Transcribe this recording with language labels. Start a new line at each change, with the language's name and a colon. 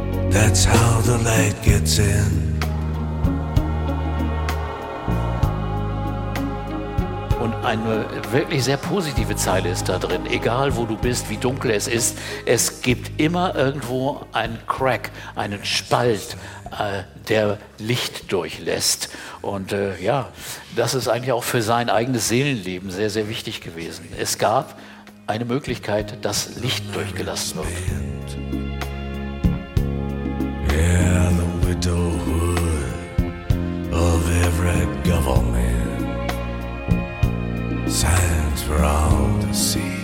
English: That's how the light gets in.
German: Eine wirklich sehr positive Zeile ist da drin. Egal, wo du bist, wie dunkel es gibt immer irgendwo einen Crack, einen Spalt, der Licht durchlässt. Und ja, das ist eigentlich auch für sein eigenes Seelenleben sehr, sehr wichtig gewesen. Es gab eine Möglichkeit, dass Licht durchgelassen wird.
English: Yeah, the widowhood of every government. Signs for all to see.